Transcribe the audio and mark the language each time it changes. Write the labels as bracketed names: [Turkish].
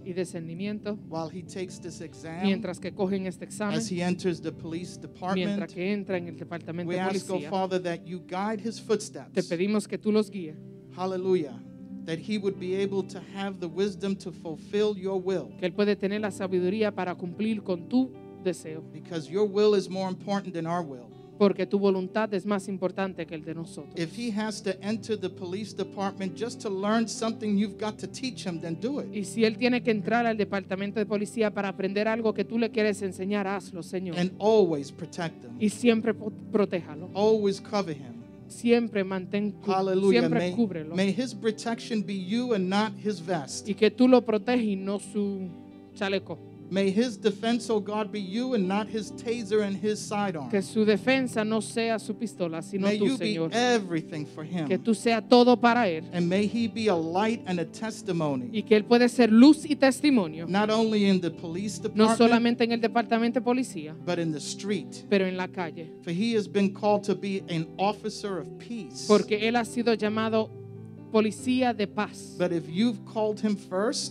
[Spanish] y discernimiento [English] while he takes this exam, [Spanish] mientras que cogen este examen, [English] as he enters the police department. [Spanish] Mientras que entra en el departamento [English] we [Spanish] de policía, [English] ask, O Father, that you guide his footsteps. [Spanish] Te pedimos que tú los guíes. [English] Hallelujah. That he would be able to have the wisdom to fulfill your will. [Spanish] Que él puede tener la sabiduría para cumplir con tu deseo. [English] Because your will is more important than our will. [Spanish] Porque tu voluntad es más importante que el de nosotros. [English] If he has to enter the police department just to learn something, you've got to teach him, then do it. [Spanish] Y si él tiene que entrar al departamento de policía para aprender algo que tú le quieres enseñar, hazlo, Señor. [English] And always protect him. [Spanish] Y siempre protéjalo. [English] Always cover him. [Spanish] Siempre mantén, [English] Hallelujah. [Spanish] Siempre cúbrelo. [English] May his protection be you and not his vest. [Spanish] Y que tú lo protejas y no su chaleco. [English] May his defense, O God, be you and not his taser and his sidearm. [Spanish] Que su defensa no sea su pistola, sino [English] may [Spanish] tú, [English] you [Spanish] Señor. [English] Be everything for him. [Spanish] Que tú sea todo para él. [English] And may he be a light and a testimony. [Spanish] Y que él puede ser luz y testimonio. [English] Not only in the police department. [Spanish] No solamente en el departamento de policía. [English] But in the street. [Spanish] Pero en la calle. [English] For he has been called to be an officer of peace. [Spanish] Porque él ha sido llamado policía de paz. [English] But if you've called him first,